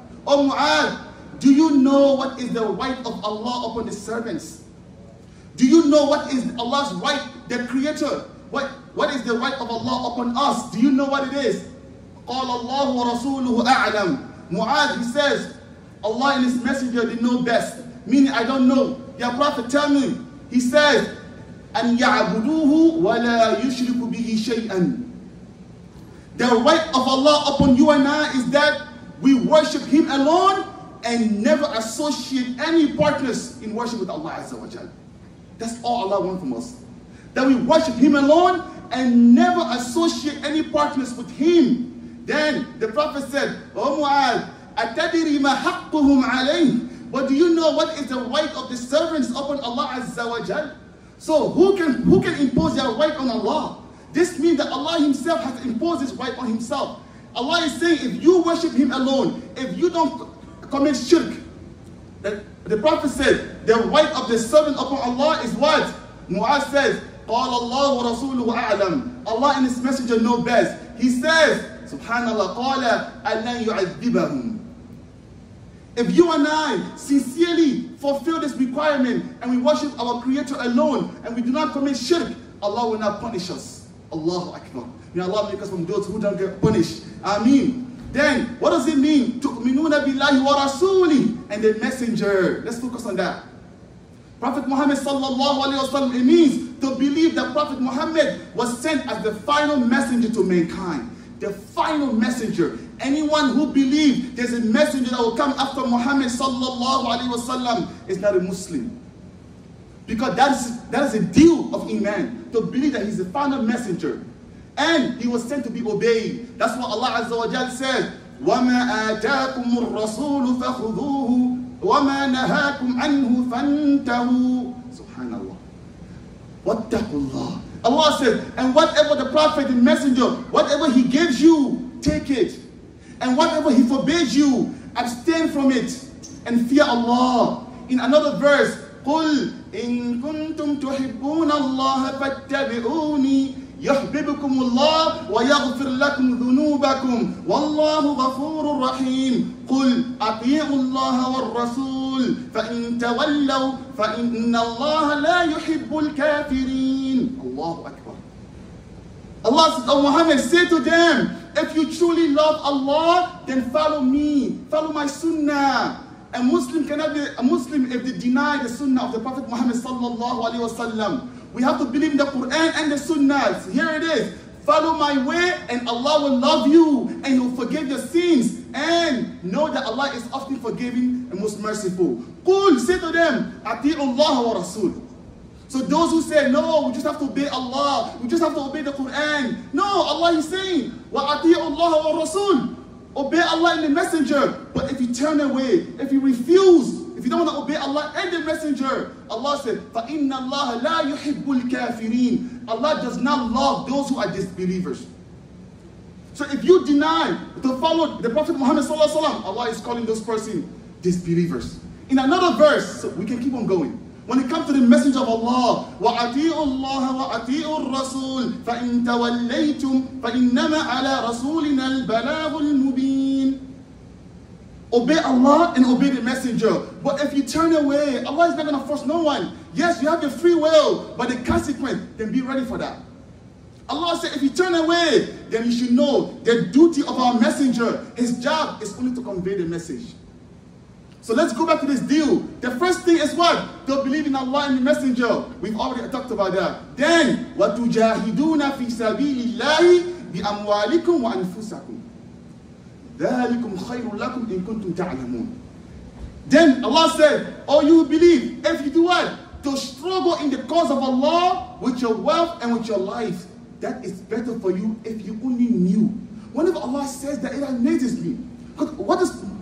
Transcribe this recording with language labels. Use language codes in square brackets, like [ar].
[en] Oh Mu'adh, do you know what is the right of Allah upon the servants? Do you know what is Allah's right, the Creator? What is the right of Allah upon us? Do you know what it is? [ar] قال الله ورسوله أعلم. [en] Mu'adh, he says, Allah and His Messenger, they know best. Meaning, I don't know. Ya Prophet, tell me. He says, [ar] أن يعبدوه ولا يشرك به شيئا. [en] The right of Allah upon you and I is that we worship Him alone and never associate any partners in worship with Allah Azza wa Jal. That's all Allah wants from us. That we worship Him alone and never associate any partners with Him. Then the Prophet said, Oh Mu'adh, [ar] أَتَدِرِي مَا حَقُّهُمْ عَلَيْهِ. [en] But do you know what is the right of the servants upon Allah Azza wa Jal? So who can impose their right on Allah? This means that Allah Himself has imposed this right on Himself. Allah is saying, if you worship Him alone, if you don't commit shirk, the Prophet said, the right of the servant upon Allah is what? Mu'adh says, [ar] قَالَ اللَّهُ وَرَسُولُهُ أَعْلَمُ. [en] Allah and His Messenger know best. He says, Subhanallah, [ar] qala allan yu'adhibahum. [en] If you and I sincerely fulfill this requirement and we worship our Creator alone and we do not commit shirk, Allah will not punish us. Allahu Akbar. May Allah make us from those who don't get punished. Ameen. Then, what does it mean? [ar] Tu'minuna billahi wa rasuli [en] and the Messenger. Let's focus on that. Prophet Muhammad sallallahu alayhi wa sallam, it means to believe that Prophet Muhammad was sent as the final messenger to mankind. The final messenger. Anyone who believes there's a messenger that will come after Muhammad sallallahu alayhi wa sallam is not a Muslim. Because that is a deal of Iman, to believe that he's the final messenger. And he was sent to be obeyed. That's what Allah Azza wa Jal said, [ar] وَمَا آتَاكُمُ الرَّسُولُ فَخُذُوهُ وَمَا نَهَاكُمْ عَنْهُ فَانْتَهُ. Subhanallah. وَاتَّقُوا اللَّهُ. [en] Allah said, and whatever the Prophet and Messenger, whatever he gives you, take it. And whatever he forbids you, abstain from it and fear Allah. [ar] In another verse, قُلْ إِن كُنْتُمْ تُحِبُّونَ اللَّهَ فَاتَّبِعُونِي يُحْبِبُكُمُ اللَّهُ وَيَغْفِرْ لَكُمْ ذُنُوبَكُمْ وَاللَّهُ غَفُورٌ رَحِيمٌ قُلْ أَطِيعُوا اللَّهَ وَالرَّسُولُ فَإِن تَوَلَّوْا فَإِنَّ اللَّهَ لَا يُحِبُّ الْكَافِرِينَ. [en] الله أكبر. Allah says, O Muhammad, say to them, if you truly love Allah, then follow me, follow my sunnah. A Muslim cannot be a Muslim if they deny the sunnah of the Prophet Muhammad sallallahu alayhi wa sallam. We have to believe in the Quran and the Sunnah. Here it is. Follow my way and Allah will love you and He will forgive your sins. And know that Allah is often forgiving and most merciful. [ar] قُلْ, [en] say to them, [ar] أَطِيعُوا اللَّهَ وَرَسُولُ. [en] So those who say, no, we just have to obey Allah. We just have to obey the Quran. No, Allah is saying, [ar] وَأَطِيعُوا اللَّهَ وَرَسُولُ. [en] Obey Allah and the Messenger. But if you turn away, if you refuse, if you don't want to obey Allah and the Messenger, Allah said, [ar] فَإِنَّ اللَّهَ لَا يُحِبُّ الْكَافِرِينَ. [en] Allah does not love those who are disbelievers. So if you deny to follow the Prophet Muhammad sallallahu alaihi wasallam, Allah is calling those persons disbelievers. In another verse, so we can keep on going. When it comes to the Messenger of Allah, [ar] وَأَطِيعُوا اللَّهَ وَأَطِيعُوا الرَّسُولَ فَإِن تَوَلَّيْتُمْ فَإِنَّمَا عَلَى رَسُولِنَا الْبَلَاغُ الْمُبِينَ. [en] Obey Allah and obey the Messenger. But if you turn away, Allah is not going to force no one. Yes, you have the free will, but the consequence, then be ready for that. Allah said, if you turn away, then you should know the duty of our Messenger. His job is only to convey the message. So let's go back to this deal. The first thing is what? To believe in Allah and the Messenger. We've already talked about that. [ar] Then, وَتُجَاهِدُونَ فِي سَبِيلِ اللَّهِ بِأَمْوَالِكُمْ وَأَنفُسَكُمْ. ذَلِكُمْ خَيْرٌ لَكُمْ إِن كُنْتُمْ تَعْلَمُونَ. [en] Then Allah said, oh, you believe, if you do what? To struggle in the cause of Allah with your wealth and with your life. That is better for you if you only knew. Whenever Allah says that, it amazes me. What does